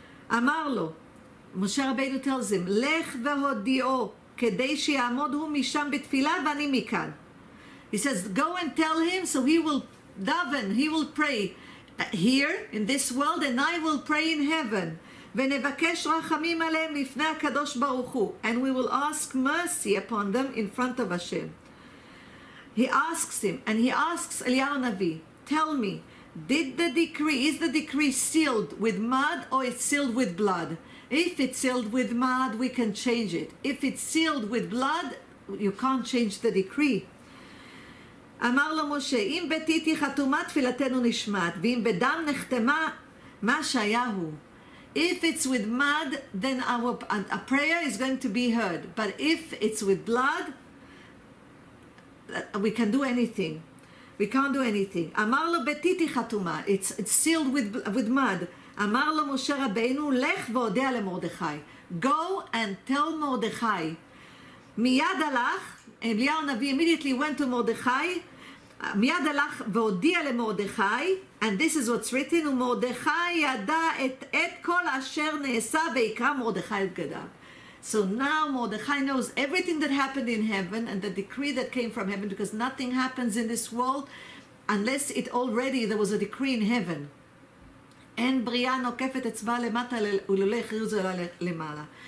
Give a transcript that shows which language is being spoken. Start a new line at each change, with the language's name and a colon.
Hebrew: Amar lo,
English: Moshe Rabbeinu tells him,
Hebrew: lech vehodio, kedei sheyamod hu misham b'tfilah v'ani mikan.
English: He says, go and tell him, so he will daven, he will pray here in this world, and I will pray in heaven.
Hebrew: ונבקש רחמים עליהם לפני הקדוש ברוך הוא.
English: And we will ask mercy upon them in front of Hashem. He asks him, and he asks Eliyahu Navi, tell me, is the decree sealed with mud or it's sealed with blood? If it's sealed with mud, we can change it. If it's sealed with blood, you can't change the decree.
Hebrew: אמר לו משה, אם בתיתי חתומה תפילתנו נשמעת, ואם בדם נחתמה מה שהיה הוא.
English: If it's with mud, then a prayer is going to be heard. But if it's with blood, we can do anything. We can't do anything.
Hebrew: Amar lo betiti chatuma.
English: It's sealed with mud.
Hebrew: Amar lo Moshe Rabbeinu, lech vodea le Mordechai.
English: Go and tell Mordechai.
Hebrew: Miyad alach,
English: Eliyahu Navi immediately went to Mordechai.
Hebrew: מיד הלך והודיע למרדכי,
English: and this is what's written,
Hebrew: ומרדכי ידע את כל אשר נעשה ויקרא מרדכי את בגדיו.
English: So now מרדכי knows everything that happened in heaven and the decree that came from heaven, because nothing happens in this world unless it already, there was a decree in heaven.
Hebrew: אין בריאה נוקפת אצבע למטה ולולא הכריזו אלא למעלה.